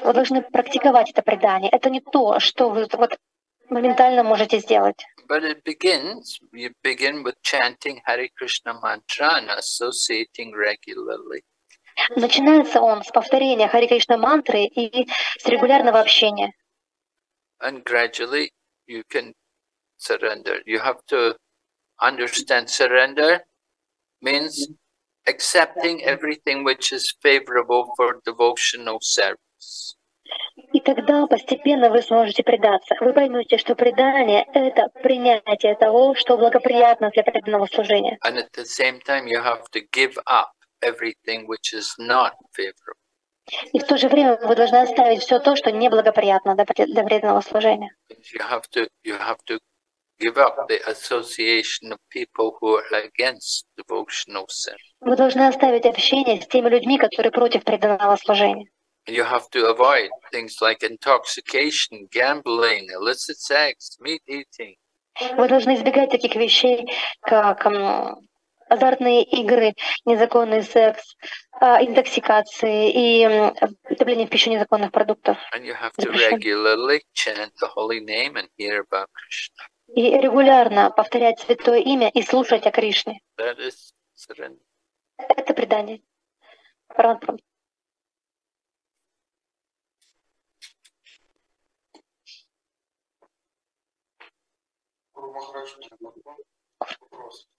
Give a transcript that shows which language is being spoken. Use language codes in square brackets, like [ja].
[ru] Вы должны практиковать это предание. Это не то, что вы вот моментально можете сделать. [en] But it begins, you begin with chanting Hare Krishna mantra and associating regularly. [ru] Начинается он с повторения Hare Krishna мантры и с регулярного общения. [en] And gradually you can surrender. You have to understand surrender means accepting everything which is favorable for devotional service. [ru] И тогда постепенно вы сможете предаться. Вы поймете, что предание — это принятие того, что благоприятно для преданного служения. [en] And at the same time you have to give up everything which is not favorable. [ru] И в то же время вы должны оставить все то, что неблагоприятно для преданного служения. [en] You have to give up the association of people who are against devotional service. [ru] Вы должны оставить общение с теми людьми, которые против преданного служения. [en] You have to avoid things like intoxication, gambling, illicit sex, meat eating. [ru] Вы должны избегать таких вещей, как азартные игры, незаконный секс, интоксикации и потребление в пищу незаконных продуктов. [en] And you have to regularly chant the holy name and hear about Krishna. [ru] И регулярно повторять святое имя и слушать о Кришне. [en] That is surrender. [ru] Это предание. Вопрос.